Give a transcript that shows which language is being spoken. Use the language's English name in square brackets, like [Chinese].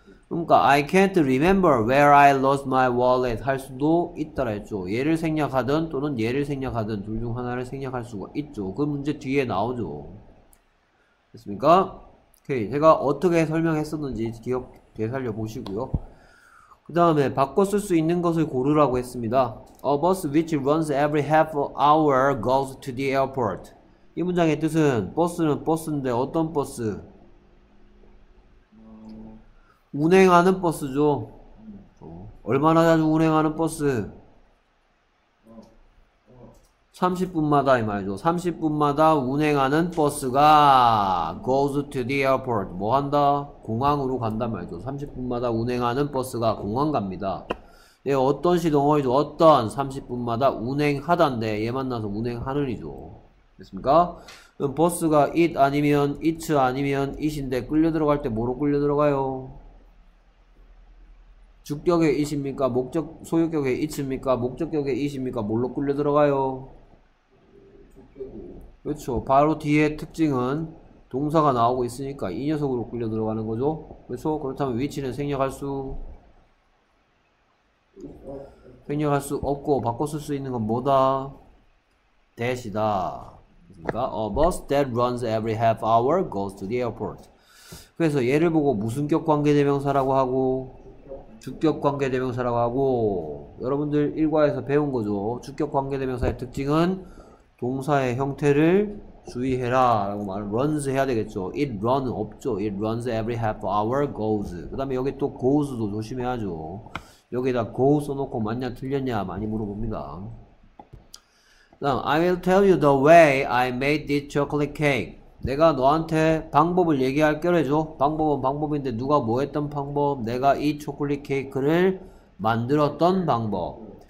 [Korean] 그러니까 [English] I can't remember where I lost my wallet [Korean] 할 수도 있다라 했죠. 얘를 생략하든 또는 얘를 생략하든 둘중 하나를 생략할 수가 있죠. 그 문제 뒤에 나오죠. 됐습니까? 오케이. 제가 어떻게 설명했었는지 기억 되살려 보시고요. 그 다음에 바꿔 쓸수 있는 것을 고르라고 했습니다. [English] A bus which runs every half hour goes to the airport. [Korean] 이 문장의 뜻은 버스는 버스인데 어떤 버스? 운행하는 버스죠. 얼마나 자주 운행하는 버스? 30분마다 이 말이죠. 30분마다 운행하는 버스가 [English] goes to the airport. [Korean] 뭐 한다? 공항으로 간단 말이죠. 30분마다 운행하는 버스가 공항 갑니다. 예, 어떤 시 동어이죠. 어떤 30분마다 운행하단데 얘 만나서 운행하는이죠. 됐습니까? 그럼 버스가 it 아니면 it 아니면 it인데 끌려 들어갈 때 뭐로 끌려 들어가요? 주격의 it입니까? 목적 소유격의 it입니까? 목적격의 it입니까? 뭘로 끌려 들어가요? 그렇죠. 바로 뒤에 특징은 동사가 나오고 있으니까 이 녀석으로 끌려 들어가는 거죠. 그렇죠? 그렇다면 위치는 생략할 수 없고 바꿔 쓸수 있는 건 뭐다? that이다. 그러니까 [English] a bus that runs every half hour goes to the airport. [Korean] 그래서 얘를 보고 무슨 격 관계대명사라고 하고 주격 관계대명사라고 하고 여러분들 일과에서 배운 거죠. 주격 관계대명사의 특징은 동사의 형태를 주의해라라고 말을 runs 해야 되겠죠. [English] It runs [Korean] 없죠. [English] It runs every half hour goes. [Korean] 그다음에 여기 또 goes도 조심해야죠. 여기에다 go 써놓고 맞냐 틀렸냐 많이 물어봅니다. 그다음 [English] I will tell you the way I made this chocolate cake. [Korean] 내가 너한테 방법을 얘기할 겨래죠. 방법은 방법인데 누가 뭐 했던 방법? 내가 이 초콜릿 케이크를 만들었던 방법.